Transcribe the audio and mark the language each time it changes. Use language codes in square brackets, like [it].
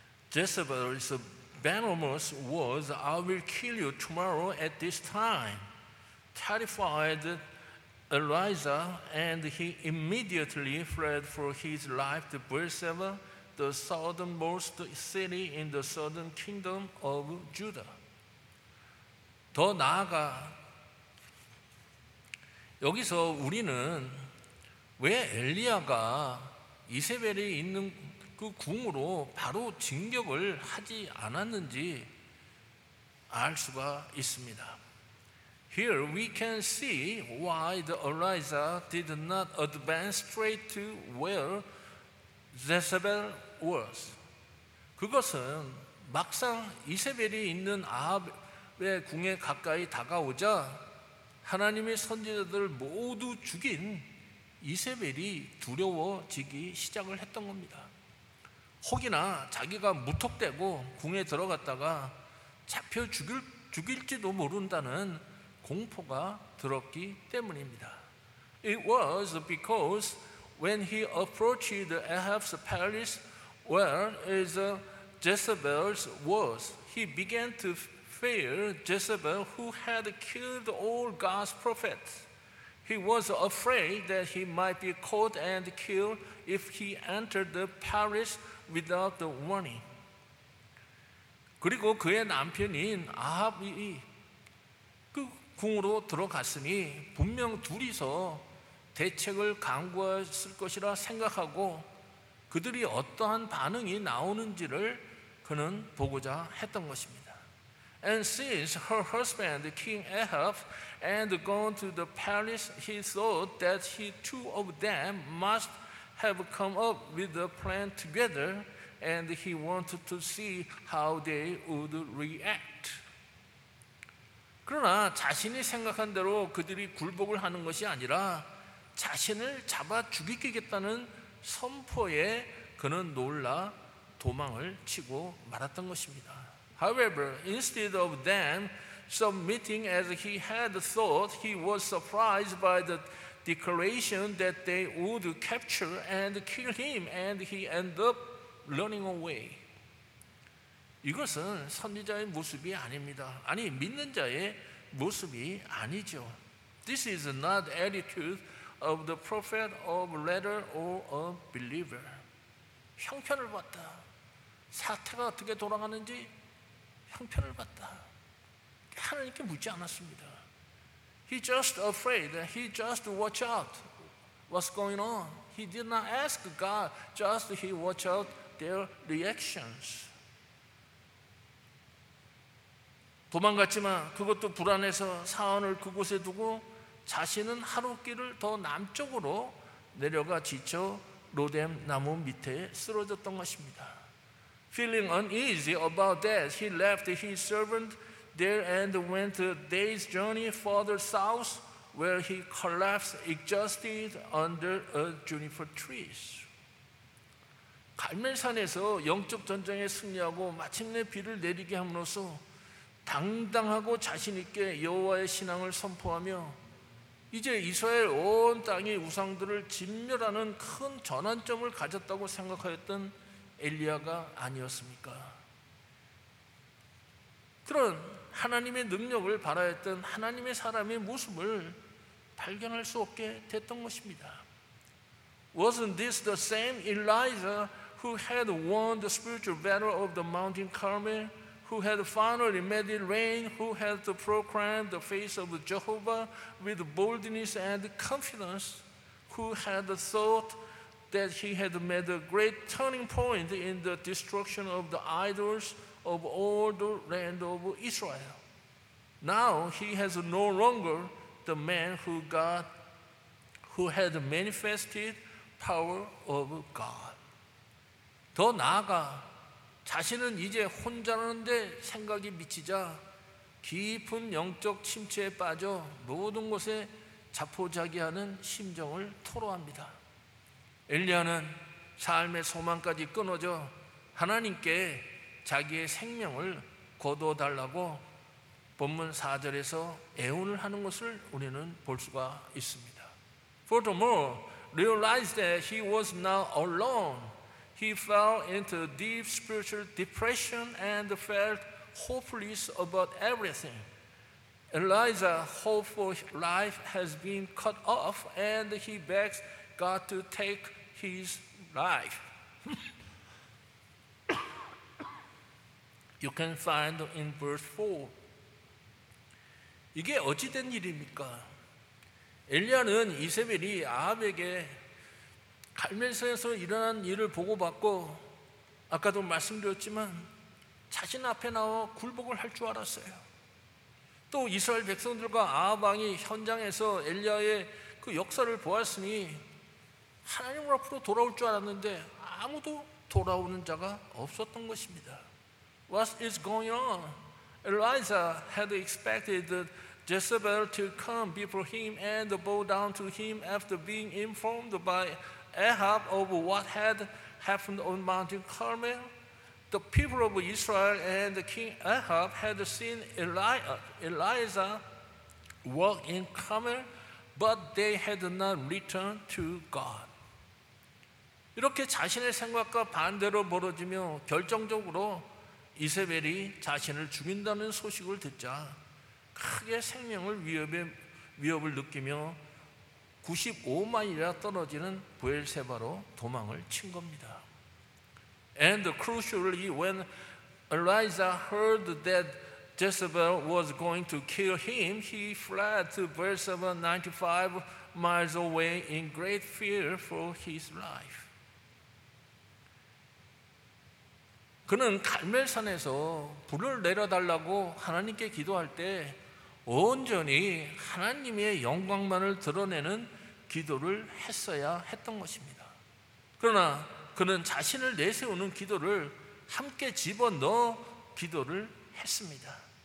[en] Jezebel's venomous words, I will kill you tomorrow at this time, terrified Elijah, and he immediately fled for his life to Beersheba, the southernmost city in the southern kingdom of Judah. [ko] 더 나아가 여기서 우리는 왜 엘리야가 이세벨이 있는 그 궁으로 바로 진격을 하지 않았는지 알 수가 있습니다. [en] Here we can see why the Elijah did not advance straight to where Jezebel was. [ko] 그것은 막상 이세벨이 있는 아합의 궁에 가까이 다가오자 하나님의 선지자들 모두 죽인 이세벨이 두려워지기 시작을 했던 겁니다. 혹이나 자기가 무턱대고 궁에 들어갔다가 잡혀 죽일지도 모른다는 공포가 들었기 때문입니다. [en] It was because when he approached Ahab's palace where is Jezebel's was, he began to fear Jezebel who had killed all God's prophets. He was afraid that he might be caught and killed if he entered the palace without the warning. [ko] 그리고 그의 남편인 아합이 그 궁으로 들어갔으니 분명 둘이서 대책을 강구했을 것이라 생각하고 그들이 어떠한 반응이 나오는지를 그는 보고자 했던 것입니다. [en] And since her husband, King Ahab, had gone to the palace, he thought that he two of them must have come up with a plan together, and he wanted to see how they would react. [ko] 그러나 자신이 생각한 대로 그들이 굴복을 하는 것이 아니라 자신을 잡아 죽이겠다는 선포에 그는 놀라 도망을 치고 말았던 것입니다. [en] However, instead of them submitting as he had thought, he was surprised by the declaration that they would capture and kill him, and he ended up running away. [ko] 이것은 선지자의 모습이 아닙니다. 아니, 믿는 자의 모습이 아니죠. [en] This is not the attitude of the prophet of letter or a believer. [ko] 형편을 봤다. 사태가 어떻게 돌아가는지 형편을 봤다. 하나님께 묻지 않았습니다. [en] He just afraid. He just watch out. What's going on? He did not ask God. Just he watch out their reactions. [ko] 도망갔지만 그것도 불안해서 사원을 그곳에 두고 자신은 하루 길을 더 남쪽으로 내려가 지쳐 로뎀 나무 밑에 쓰러졌던 것입니다. [en] Feeling uneasy about that, he left his servant there and went a day's journey further south where he collapsed exhausted under a juniper tree. [ko] 갈멜산에서 영적 전쟁에 승리하고 마침내 비를 내리게 함으로써 당당하고 자신 있게 여호와의 신앙을 선포하며 이제 이스라엘 온 땅이 우상들을 진멸하는 큰 전환점을 가졌다고 생각하였던 엘리야가 아니었습니까? 그런 하나님의 능력을 바라했던 하나님의 사람의 모습을 발견할 수 없게 됐던 것입니다. [en] Wasn't this the same Elijah who had won the spiritual battle of the Mountain Carmel, who had finally made it rain, who had proclaimed the face of Jehovah with boldness and confidence, who had thought that he had made a great turning point in the destruction of the idols of all the land of Israel. Now he has no longer the man who God, who had manifested power of God. [ko] 더 나아가 자신은 이제 혼자라는데 생각이 미치자 깊은 영적 침체에 빠져 모든 것에 자포자기하는 심정을 토로합니다. 엘리야는 삶의 소망까지 끊어져 하나님께 자기의 생명을 거둬달라고 본문 4절에서 애원을 하는 것을 우리는 볼 수가 있습니다. [en] Furthermore, realized that he was now alone, he fell into deep spiritual depression and felt hopeless about everything. Elijah's hope for life has been cut off and he begs God to take his life. You can find in verse 4. [ko] 이게 어찌된 일입니까? 엘리야는 이세벨이 아합에게 갈멜산에서 일어난 일을 보고받고 아까도 말씀드렸지만 자신 앞에 나와 굴복을 할 줄 알았어요. 또 이스라엘 백성들과 아합 왕이 현장에서 엘리야의 그 역사를 보았으니 하나님 앞으로 돌아올 줄 알았는데 아무도 돌아오는 자가 없었던 것입니다. [en] What is going on? Elijah had expected that Jezebel to come before him and bow down to him after being informed by Ahab of what had happened on Mount Carmel. The people of Israel and King Ahab had seen Elijah walk in Carmel, but they had not returned to God. [ko] 이렇게 자신의 생각과 반대로 벌어지며 결정적으로 이세벨이 자신을 죽인다는 소식을 듣자 크게 생명을 위협을 느끼며 95마일이나 떨어지는 부엘세바로 도망을 친 겁니다. [en] And crucially, when Elijah heard that Jezebel was going to kill him, he fled to Beersheba 95 miles away in great fear for his life. [ko] 그는 갈멜산에서 불을 내려달라고 하나님께 기도할 때 온전히 하나님의 영광만을 드러내는 기도를 했어야 했던 것입니다. 그러나 그는 자신을 내세우는 기도를 함께 집어넣어 기도를 했습니다.